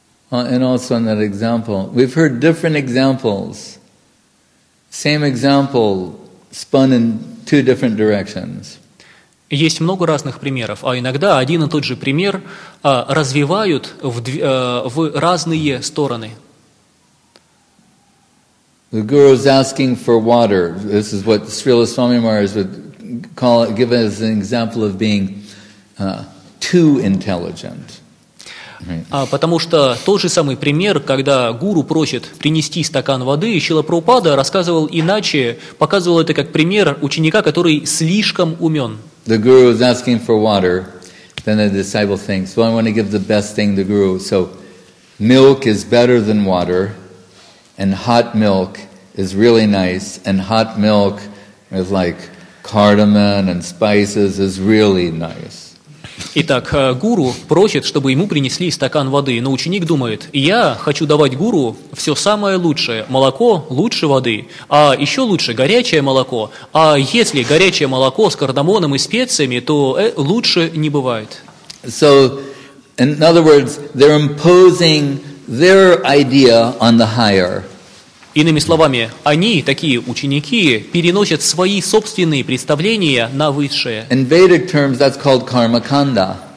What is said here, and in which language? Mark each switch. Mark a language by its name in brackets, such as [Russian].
[English] And also on that example, we've heard different examples. Same example spun in two different directions. [Russian] Есть много разных примеров, а иногда один и тот же пример развивают в разные стороны. [English] The guru is asking for water. This is what Srila Swami Maharaj would call it, give as an example of being too intelligent. [Russian] Потому что тот же самый пример, когда гуру просит принести стакан воды, Шрила Прабхупада рассказывал иначе, показывал это как пример ученика, который слишком умен. [English] The guru is asking for water. Then the disciple thinks, well, I want to give the best thing to the guru. So milk is better than water. And hot milk is really nice, and hot milk with like cardamom and spices is really nice. [Russian] Итак, гуру просит, чтобы ему принесли стакан воды, но ученик думает, я хочу давать гуру все самое лучшее, молоко лучше воды, а еще лучше горячее молоко, а если горячее молоко с кардамоном и специями, то лучше не бывает. [English] So, in other words, they're imposing their idea on the higher. [Russian] Иными словами, они, такие ученики, переносят свои собственные представления на высшее. [English] In Vedic terms, that's called karmakanda.